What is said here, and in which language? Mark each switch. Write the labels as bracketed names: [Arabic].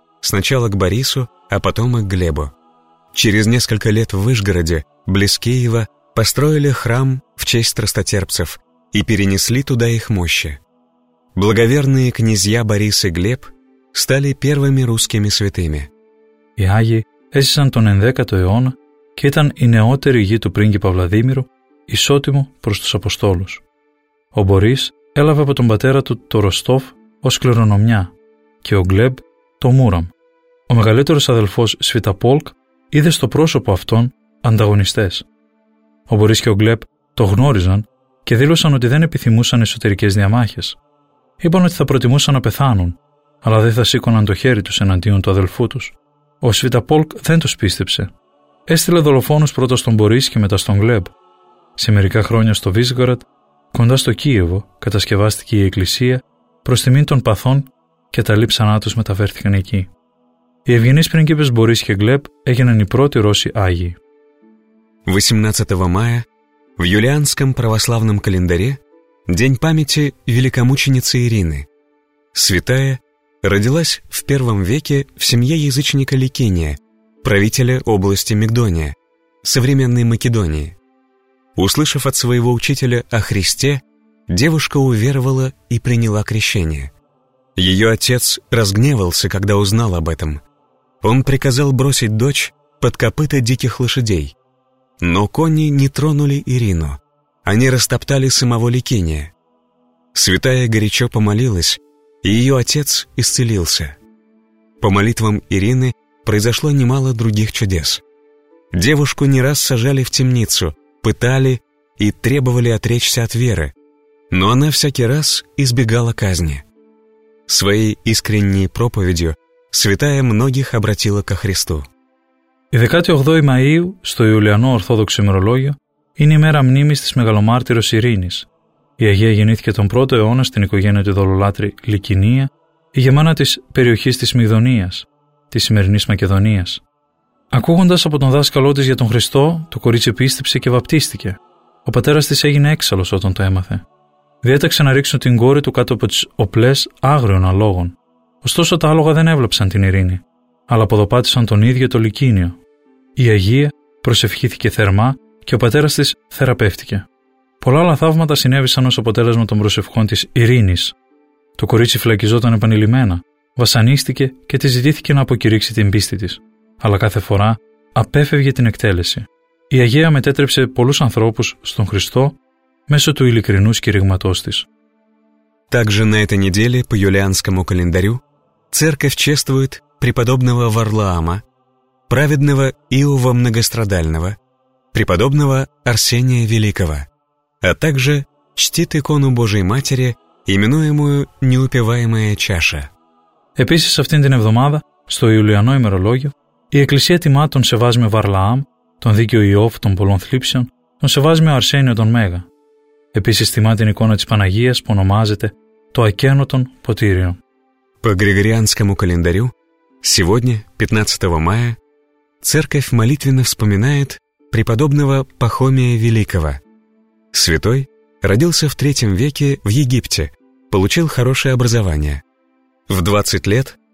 [Russian] Сначала к Борису, а потом и к Глебу. Через несколько лет в Выжгороде, близ Киева, построили храм в честь страстотерпцев и перенесли туда их мощи. Благоверные князья Борис и Глеб стали первыми русскими святыми. [Greek] Οι Άγιοι έζησαν τον 10ο αιώνα και ήταν η νεότερη γη του πρίγκιπα Βλαδίμηρου, ισότιμο προς τους Αποστόλους. Ο Μπορίς έλαβε από τον πατέρα του το Ροστόφ ως κληρονομιά και ο Γκλέμπ το Μούραμ. Ο μεγαλύτερος αδελφός Σβιταπόλκ είδε στο πρόσωπο αυτών ανταγωνιστές. Ο Μπορίς και ο Γκλέμπ το γνώριζαν και δήλωσαν ότι δεν επιθυμούσαν εσωτερικές διαμάχες. Είπαν ότι θα προτιμούσαν να πεθάνουν, αλλά δεν θα σήκωναν το χέρι τους εναντίον του αδελφού τους. Ο Σβιταπόλκ δεν τους πίστεψε. Έστειλε δολοφόνους πρώτα στον Μπορίς και μετά στον Γκλέμπ. Σε μερικά χρόνια στο Βίζγκορατ, κοντά στο Κίεβο, κατασκευάστηκε η εκκλησία προς τιμήν των παθών και τα λείψανά τους μεταφέρθηκαν εκεί. Οι ευγενείς πρίγκιπες Μπορίς και Γκλέμπ έγιναν οι πρώτοι Ρώσοι Άγιοι. 18 Μάη, [Russian] в юлианском православном календаре, день памяти великомученицы Ирины. Святая родилась в первом веке в семье язычника Ликиния, правителя области Мигдония, современной Македонии. Услышав от своего учителя о Христе, девушка уверовала и приняла крещение. Ее отец разгневался, когда узнал об этом. Он приказал бросить дочь под копыта диких лошадей. Но кони не тронули Ирину. Они растоптали самого Ликиния. Святая горячо помолилась, и ее отец исцелился. По молитвам Ирины произошло немало других чудес. Девушку не раз сажали в темницу, пытали и требовали отречься от веры, но она всякий раз избегала казни. Своей искренней проповедью святая многих обратила ко Христу. [Greek] 18 Μαΐου, στο Ιουλιανό Ορθόδοξο ημερολόγιο, είναι η μέρα μνήμης της μεγαλομάρτυρος Ειρήνης. Η Αγία γεννήθηκε τον 1ο αιώνα στην οικογένεια του δολολάτρη Λικινία, ηγεμόνα της περιοχής της Μυδονίας, της σημερινής Μακεδονίας. Ακούγοντας από τον δάσκαλό της για τον Χριστό, το κορίτσι πίστεψε και βαπτίστηκε. Ο πατέρας της έγινε έξαλλος όταν το έμαθε. Διέταξε να ρίξουν την κόρη του κάτω από τις οπλές άγριων αλόγων. Ωστόσο τα άλογα δεν έβλαψαν την Ειρήνη, αλλά ποδοπάτησαν τον ίδιο το Λικίνιο. Η Αγία προσευχήθηκε θερμά και ο πατέρας της θεραπεύτηκε. Πολλά άλλα θαύματα συνέβησαν ως αποτέλεσμα των προσευχών της Ειρήνης. Το κορίτσι φυλακιζόταν επανειλημμένα, βασανίστηκε και της ζητήθηκε να αποκηρύξει την πίστη της, αλλά κάθε φορά απέφευγε την εκτέλεση. Η Αγία μετέτρεψε πολλούς ανθρώπους στον Χριστό μέσω του ειλικρινού κηρύγματός της. [Russian] Также на этой неделе по юлианскому календарю церковь чествует преподобного Варлаама, праведного Иова Многострадального, преподобного Арсения Великого, а также чтит икону Божией Матери, именуемую «Неупиваемая чаша». [Greek] Επίσης αυτήν την εβδομάδα, στο Ιουλιανό ημερολόγιο, η Εκκλησία τιμά τον Σεβάσμιο Βαρλαάμ, τον δίκαιο Ιώβ των πολλών θλίψεων, τον Σεβάσμιο Αρσένιο τον Μέγα. Επίσης τιμά την εικόνα της Παναγίας που ονομάζεται το Ακένωτον Ποτήριο. [Russian] По Григорианскому календарю, сегодня, 15 мая, церковь молитвенно вспоминает преподобного Пахомия Великого. Святой родился в III веке в Египте, получил хорошее образование. В 20 лет